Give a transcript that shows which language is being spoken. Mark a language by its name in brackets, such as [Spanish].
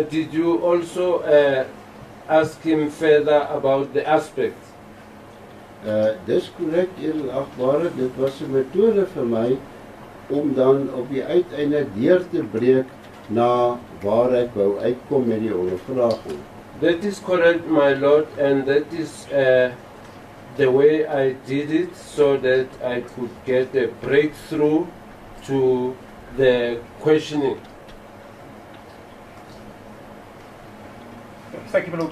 [English] Did you also ask him further about the aspects? [Afrikaans] Dis correct, edelagbare, dit was 'n methode vir my om dan op die uiteinde deur te breek na waar ek wou uitkom met die ondervraging. [English] That is correct, my lord, and that is the way I did it so that I could get a breakthrough to the questioning. Thank you, my lord.